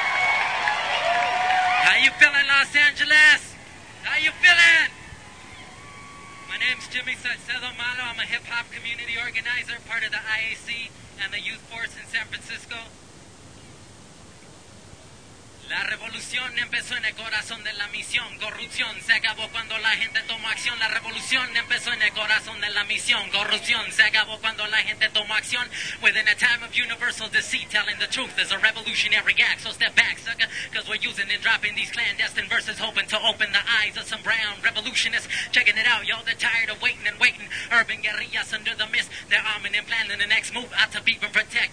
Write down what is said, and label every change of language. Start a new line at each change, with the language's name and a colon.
English: How you feeling, Los Angeles? How you feeling? My name's Jimmy Salcedo Malo. I'm a hip-hop community organizer, part of the IAC and the youth force in San Francisco.
Spanish: La revolución empezó en el corazón de la misión. Corrupción se acabó cuando la gente tomó acción. La revolución empezó en el corazón de la misión. Corrupción se acabó cuando la gente tomó acción.
English: Within a time of universal deceit, telling the truth is a revolutionary act. So step back, sucker, cause we're using and dropping these clandestine verses, hoping to open the eyes of some brown revolutionists. Checking it out, y'all, they're tired of waiting and waiting. Urban guerrillas under the mist, they're arming and planning the next move out to beat and protect.